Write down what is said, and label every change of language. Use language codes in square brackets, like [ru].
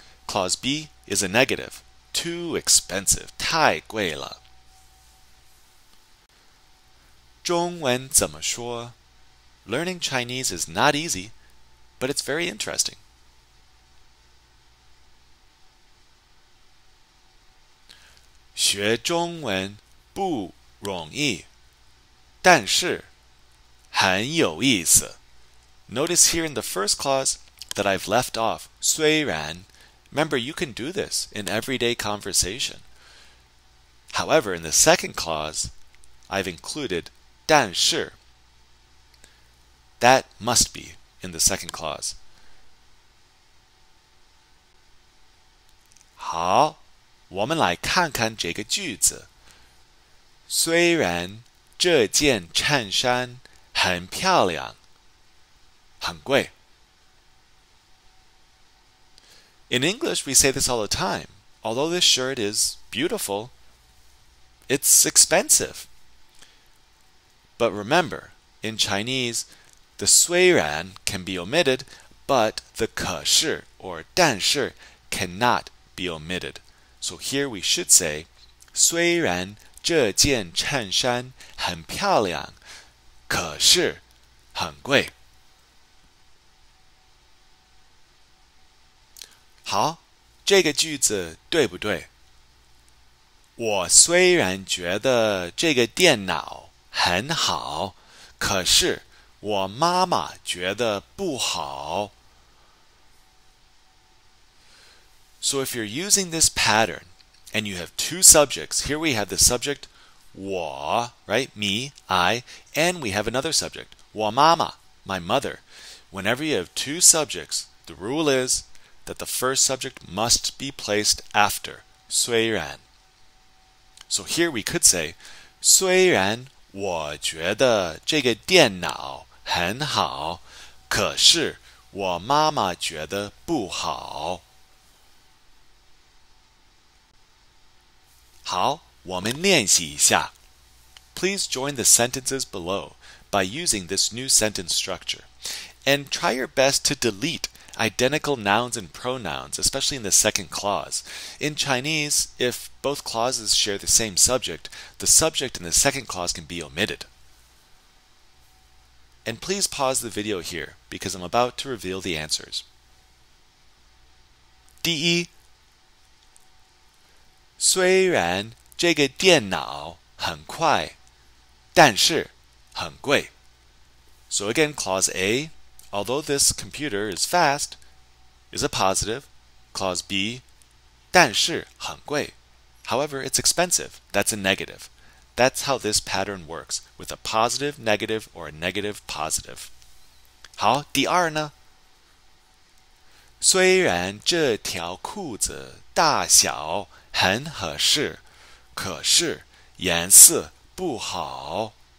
[en] Clause B is a negative, too expensive. [zh] Tai Gui La. Zhong Wen Zama Shua. [en] Learning Chinese is not easy, but it's very interesting. [zh] 学中文不容易,但是很有意思。 [en] Notice here in the first clause that I've left off, [zh] 虽然. [en] Remember, you can do this in everyday conversation. However, in the second clause, I've included 但是. That must be in the second clause. [zh] 好。我们来看看这个句子。虽然这件衬衫很漂亮，很贵。 [en] In English, we say this all the time. Although this shirt is beautiful, it's expensive. But remember, in Chinese, the 虽然 can be omitted, but the 可是 or 但是 cannot be omitted. So here we should say, [zh] 虽然这件衬衫很漂亮,可是很贵。好,这个句子对不对?我虽然觉得这个电脑很好,可是我妈妈觉得不好。 [en] So if you're using this pattern, and you have two subjects, here we have the subject 我, right, me, I, and we have another subject, 我妈妈, my mother. Whenever you have two subjects, the rule is that the first subject must be placed after, 虽然. So here we could say, [zh] 虽然我觉得这个电脑很好,可是我妈妈觉得不好。好，我们练习一下。 [en] Please join the sentences below by using this new sentence structure. And try your best to delete identical nouns and pronouns, especially in the second clause. In Chinese, if both clauses share the same subject, the subject in the second clause can be omitted. And please pause the video here because I'm about to reveal the answers. [zh] 第一，虽然这个电脑很快，但是很贵。 [en] So again, clause A, although this computer is fast, is a positive. Clause B, [zh] 但是很贵。 [en] However, it's expensive, that's a negative. That's how this pattern works, with a positive, negative, or a negative, positive. [zh] 好，第二呢？虽然这条裤子大小很合适，可是颜色不好。